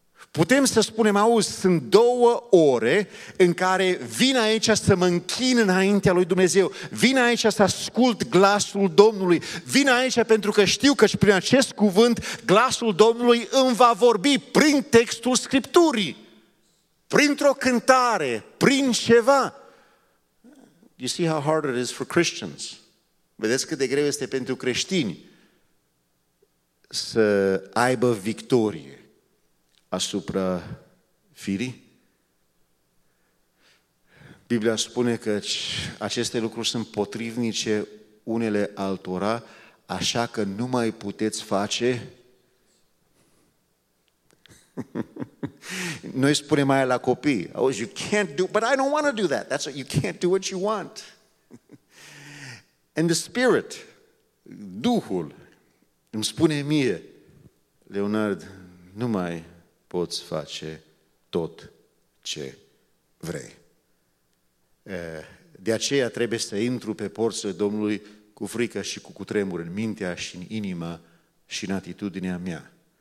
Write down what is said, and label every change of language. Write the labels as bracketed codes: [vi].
[ro] Putem să spunem, auzi, sunt două ore în care vin aici să mă închin înaintea lui Dumnezeu, vin aici să ascult glasul Domnului, vin aici pentru că știu că și prin acest cuvânt glasul Domnului îmi va vorbi prin textul Scripturii, printr-o cântare, prin ceva. [en] You see how hard it is for Christians. [ro] Vedeți cât de greu este pentru creștini să aibă victorie asupra firii? Biblia spune că aceste lucruri sunt potrivnice unele altora, așa că nu mai puteți face. Noi spunem aia la copii. [en] Auzi, you can't do, but I don't want to do that. That's what, you can't do what you want. And the spirit, [ro] Duhul, îmi spune mie, Leonard, nu mai poți face tot ce vrei. De aceea trebuie să intru pe porțile Domnului cu frică și cu cutremur în mintea și în inimă și în atitudinea mea.